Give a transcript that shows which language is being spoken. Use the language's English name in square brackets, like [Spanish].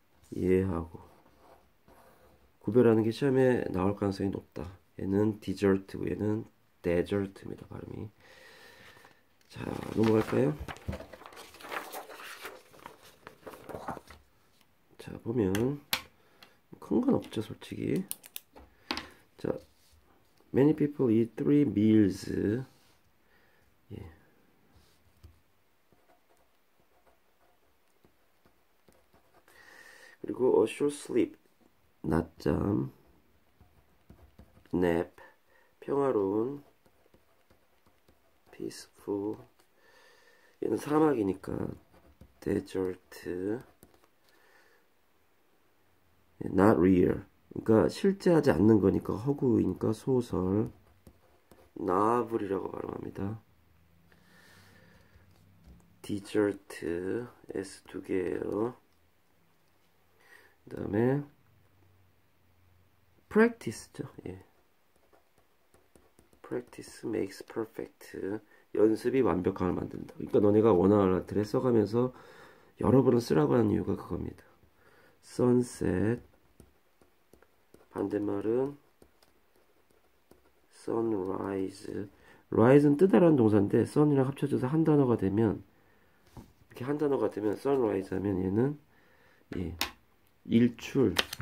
[Korean] 이해하고 구별하는 게 시험에 나올 가능성이 높다. 얘는 디저트고 얘는 데저트입니다. 발음이. 자, 넘어갈까요? 자, 보면 큰건 없죠, 솔직히. [English] 자, many people eat three meals. 그리고 a short sleep, 낮잠, nap, 평화로운, peaceful. [Korean] 얘는 사막이니까 desert. [English] Not real. [Korean] 그러니까 실제하지 않는 거니까 허구이니까 소설. novel이라고 발음합니다. desert. s 두 개예요. 그다음에 practice죠. 예. [English] practice makes perfect. [Korean] 연습이 완벽함을 만든다. 그러니까 너네가 원어를 써가면서 여러 번 쓰라고 하는 이유가 그겁니다. [English] sunset. 반대말은 sunrise. [Korean] rise는 뜨다라는 동사인데 sun이랑 합쳐져서 한 단어가 되면 이렇게 한 단어가 되면 sunrise 하면 얘는 예. 일출.